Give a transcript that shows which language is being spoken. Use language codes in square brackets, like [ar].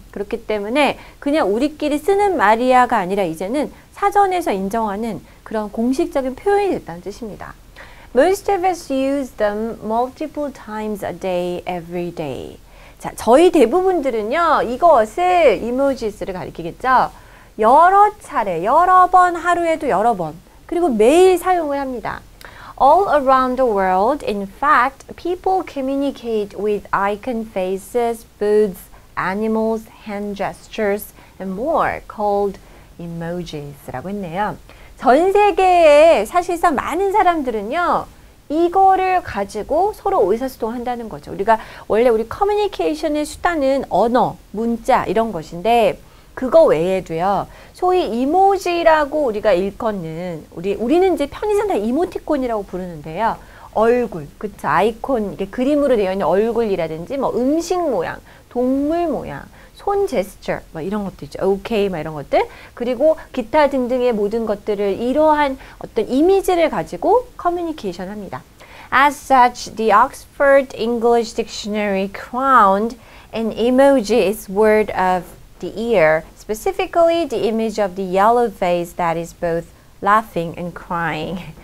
[ko] 그렇기 때문에 그냥 우리끼리 쓰는 말이야가 아니라 이제는 사전에서 인정하는 그런 공식적인 표현이 됐다는 뜻입니다. [en] Most of us use them multiple times a day, every day. [ko] 자, 저희 대부분들은요, 이것을 emojis를 가리키겠죠. 여러 차례, 여러 번, 하루에도 여러 번, 그리고 매일 사용을 합니다. [en] All around the world, in fact, people communicate with icon faces, foods, animals, hand gestures, and more called emojis [ko] 라고 했네요. 전 세계에 사실상 많은 사람들은요, 이거를 가지고 서로 의사소통한다는 거죠. 우리가 원래 우리 커뮤니케이션의 수단은 언어, 문자 이런 것인데, 그거 외에도요, 소위 이모지라고 우리가 일컫는, 우리는 이제 편의상 다 이모티콘이라고 부르는데요. 얼굴, 그쵸, 아이콘, 이게 그림으로 되어 있는 얼굴이라든지, 뭐 음식 모양, 동물 모양, 손 제스처, 뭐 이런 것들 있죠. 오케이, 뭐 이런 것들. 그리고 기타 등등의 모든 것들을 이러한 어떤 이미지를 가지고 커뮤니케이션 합니다. [en] As such, the Oxford English Dictionary crowned an emoji is word of the ear, specifically the image of the yellow face that is both laughing and crying.